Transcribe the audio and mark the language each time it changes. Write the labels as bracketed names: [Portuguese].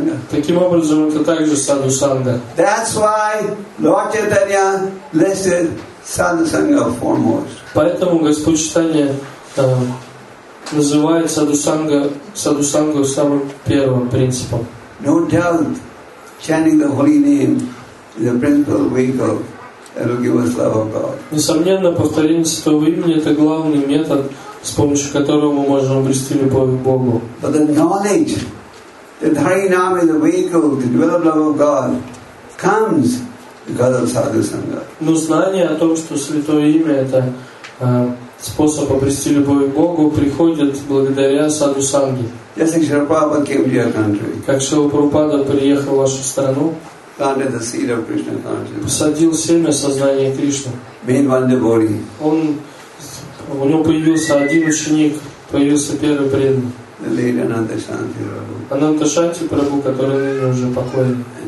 [Russian] Таким образом, это также саду санга. [English] That's why Lord Chaitanya listed саду санга foremost. [Russian] Поэтому Господь Чайтанья называет саду сангу самым первым принципом. [English] No doubt, chanting the holy name is a principal vehicle that will give us love of God. [Russian] Несомненно, повторение святого имени — это главный метод, с помощью которого мы можем обрести любовь к Богу. [English] But the knowledge that Hari Nam is a vehicle to develop love of God comes because of sadhu sangha. [Russian] Но знание о том, что святое имя — это способ обрести любовь к Богу, приходит благодаря саду санге. [English] Just like Srila Prabhupada came to your country. [Russian] Как Шрила Прабхупада приехал в вашу страну, [English] planted the seed of Krishna consciousness. [Russian] Посадил семя сознания Кришны. [English] Made one devotee. [Russian] У него появился один ученик, появился первый преданный. Ананта Шанти Прабху, который уже покоен.